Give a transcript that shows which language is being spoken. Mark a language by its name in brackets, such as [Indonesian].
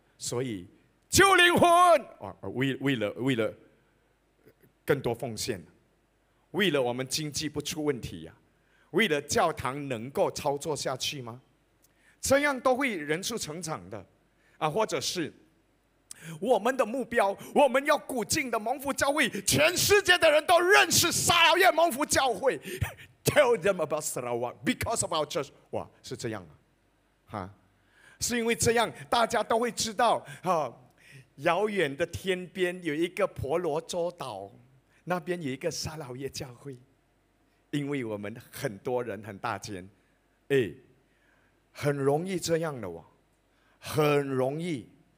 [Chinese] 所以救灵魂啊，为了更多奉献，为了我们经济不出问题呀、啊，为了教堂能够操作下去吗？这样都会人数成长的啊，或者是我们的目标，我们要鼓劲的蒙福教会，全世界的人都认识撒劳越蒙福教会。 [English] Tell them about Sarawak because of our church. [Chinese] 哇，是这样啊，哈，是因为这样，大家都会知道啊，遥远的天边有一个婆罗洲岛，那边有一个撒劳越教会，因为我们很多人很大间，哎，很容易这样的哦，很容易。